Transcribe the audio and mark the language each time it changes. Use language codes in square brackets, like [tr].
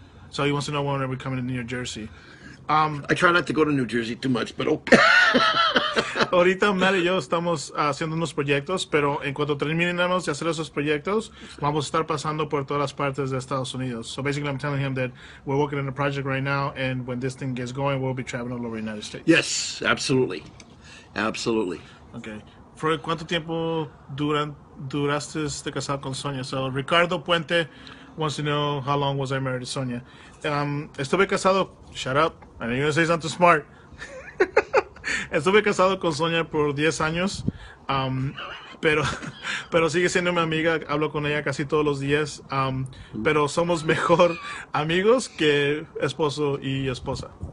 [en] So he wants to know when are we coming to New Jersey. I try not to go to New Jersey too much, but okay. [es] Ahorita Matt y yo estamos haciendo unos proyectos, pero en cuanto terminemos de hacer esos proyectos, vamos a estar pasando por todas las partes de Estados Unidos. [en] So basically, I'm telling him that we're working on a project right now, and when this thing gets going, we'll be traveling all over the United States. Yes, absolutely. Absolutely. Okay. [es] ¿Por cuánto tiempo duraste de casado con Sonia? [en] So Ricardo Puente wants to know how long was I married to Sonia. [es] Estuve casado. [en] Shut up. I know you're gonna say something smart. [es] Estuve casado con Sonia por 10 años, pero sigue siendo mi amiga, hablo con ella casi todos los días, pero somos mejor amigos que esposo y esposa.